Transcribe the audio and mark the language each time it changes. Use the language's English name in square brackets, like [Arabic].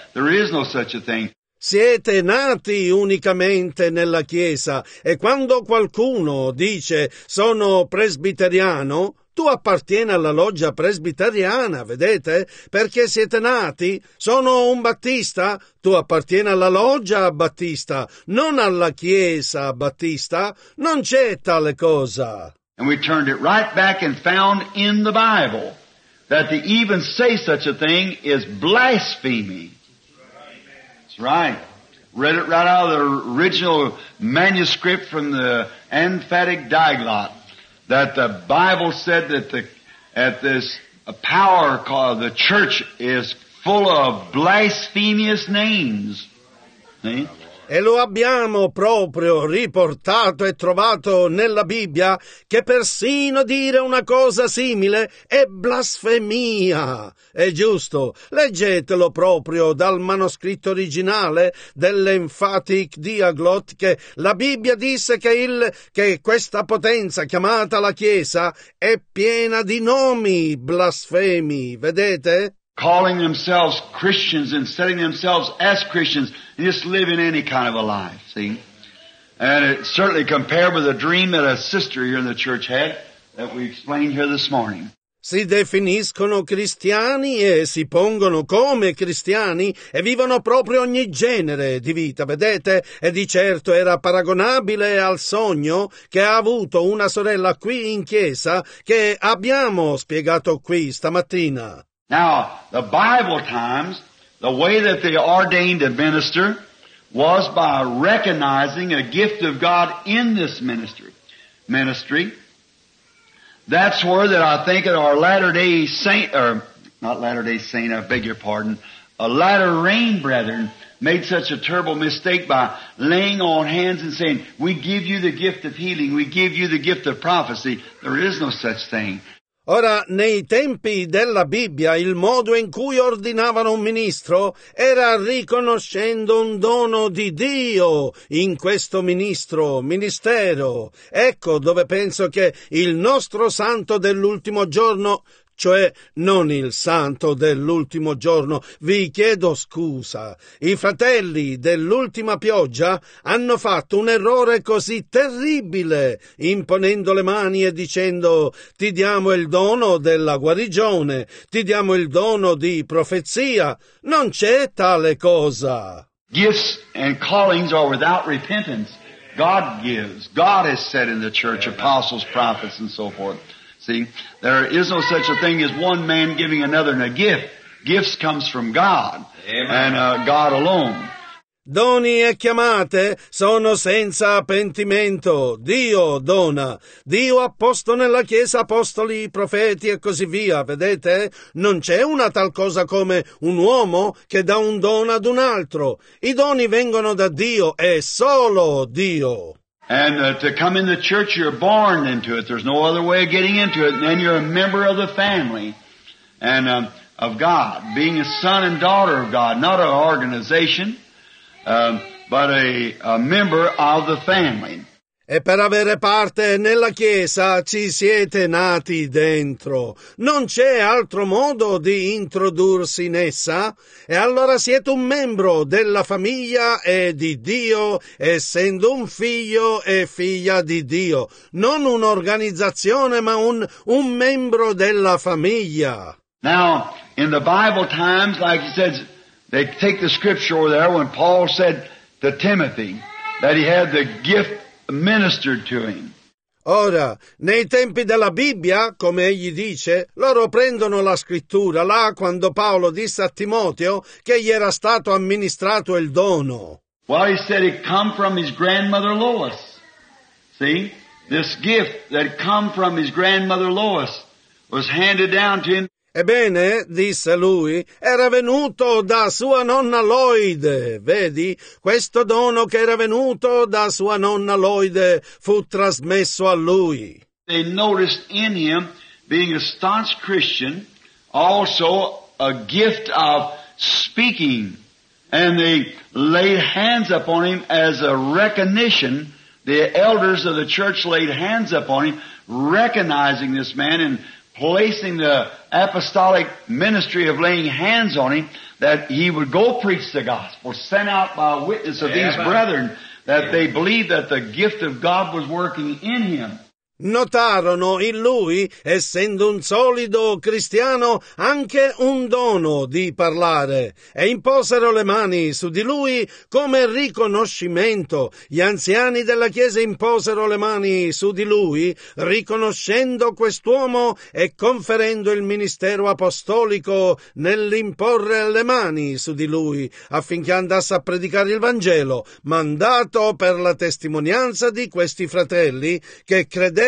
[English] There is no such a thing. [Italian] Siete nati unicamente nella Chiesa, e quando qualcuno dice, sono presbiteriano, tu appartieni alla loggia presbiteriana, vedete? Perché siete nati, sono un battista, tu appartieni alla loggia battista, non alla chiesa battista, non c'è tale cosa. [English] And we turned it right back and found in the Bible that to even say such a thing is blasphemy. That's right. Read it right out of the original manuscript from the emphatic diglot. That the Bible said that this power called the church is full of blasphemous names. See? [Italian] E lo abbiamo proprio riportato e trovato nella Bibbia che persino dire una cosa simile è blasfemia. È giusto. Leggetelo proprio dal manoscritto originale dell'Emphatic Diaglot che la Bibbia disse che questa potenza chiamata la Chiesa è piena di nomi blasfemi. Vedete? [English] Calling themselves Christians and setting themselves as Christians and just living any kind of a life, see? And it certainly compared with a dream that a sister here in the church had that we explained here this morning. [Italian] Si definiscono cristiani e si pongono come cristiani e vivono proprio ogni genere di vita, vedete? E di certo era paragonabile al sogno che ha avuto una sorella qui in chiesa che abbiamo spiegato qui stamattina. [English] Now, the Bible times, the way that they ordained a minister was by recognizing a gift of God in this ministry. That's where that I think that our Latter-day Saint, or not Latter-day Saint, I beg your pardon, a Latter Rain brethren made such a terrible mistake by laying on hands and saying, we give you the gift of healing, we give you the gift of prophecy. There is no such thing. [Italian] Ora, nei tempi della Bibbia, il modo in cui ordinavano un ministro era riconoscendo un dono di Dio in questo ministro, ministero. Ecco dove penso che il nostro santo dell'ultimo giorno, cioè non il santo dell'ultimo giorno, vi chiedo scusa, i fratelli dell'ultima pioggia hanno fatto un errore così terribile imponendo le mani e dicendo ti diamo il dono della guarigione, ti diamo il dono di profezia, non c'è tale cosa. [English] Gifts and callings are without repentance. God gives. God has said in the church, apostles, prophets and so forth. See, there is no such a thing as one man giving another a gift. Gifts comes from God, Amen. And God alone. [Italian] Doni e chiamate sono senza pentimento. Dio dona. Dio ha posto nella Chiesa apostoli, profeti e così via, vedete? Non c'è una tal cosa come un uomo che dà un dono ad un altro. I doni vengono da Dio e solo Dio. [English] And to come in the church you're born into it. There's no other way of getting into it. And then you're a member of the family. And of God, being a son and daughter of God, not an organization, but a member of the family. [Italian] E per avere parte nella Chiesa ci siete nati dentro. Non c'è altro modo di introdursi in essa? E allora siete un membro della famiglia e di Dio, essendo un figlio e figlia di Dio. Non un'organizzazione, ma un membro della famiglia. [English] Now, in the Bible times, like he says, they take the scripture over there when Paul said to Timothy that he had the gift ministered to him. [Italian] Ora, nei tempi della Bibbia, come egli dice, loro prendono la scrittura là quando Paolo disse a Timoteo che gli era stato amministrato il dono. [English] Well, he said it come from his grandmother Lois. See? This gift that come from his grandmother Lois was handed down to him. [Italian] Ebbene, disse lui, era venuto da sua nonna Lloyd. Vedi, questo dono che era venuto da sua nonna Lloyd fu trasmesso a lui. [English] They noticed in him, being a staunch Christian, also a gift of speaking. And they laid hands upon him as a recognition. The elders of the church laid hands upon him, recognizing this man and placing the apostolic ministry of laying hands on him, that he would go preach the gospel, sent out by a witness of these brethren, that they believed that the gift of God was working in him. [Italian] Notarono in lui, essendo un solido cristiano, anche un dono di parlare, e imposero le mani su di lui come riconoscimento. Gli anziani della chiesa imposero le mani su di lui, riconoscendo quest'uomo e conferendo il ministero apostolico nell'imporre le mani su di lui, affinché andasse a predicare il Vangelo, mandato per la testimonianza di questi fratelli che credevano.